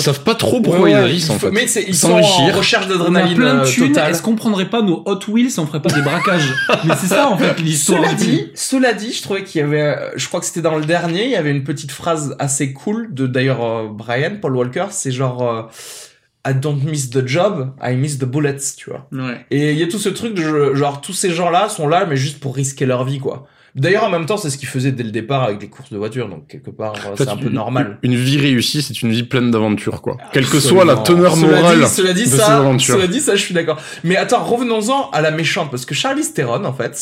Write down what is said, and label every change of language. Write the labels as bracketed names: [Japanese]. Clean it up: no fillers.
[French] Ils savent pas trop pourquoi ils agissent, en fait. Mais ils sont en recherche d'adrénaline. On a plein de thunes. Total. Est-ce qu'on prendrait pas nos Hot Wheels et on ferait pas des braquages? Mais c'est ça, en fait, l'histoire. Cela dit, je trouvais qu'il y avait, je crois que c'était dans le dernier, il y avait une petite phrase assez cool. D'ailleurs, Brian, Paul Walker, c'est genre [English] I don't miss the job, I miss the bullets, [French] tu vois. Ouais. Et il y a tout ce truc de genre, tous ces gens-là sont là, mais juste pour risquer leur vie, quoi. D'ailleurs, en même temps, c'est ce qu'ils faisaient dès le départ avec les courses de voitures, donc quelque part, en fait, c'est un peu normal. Une vie réussie, c'est une vie pleine d'aventures, quoi. Absolument. Quelle que soit la teneur morale. Cela dit, je suis d'accord. Mais attends, revenons-en à la méchante, parce que Charlize Theron, en fait.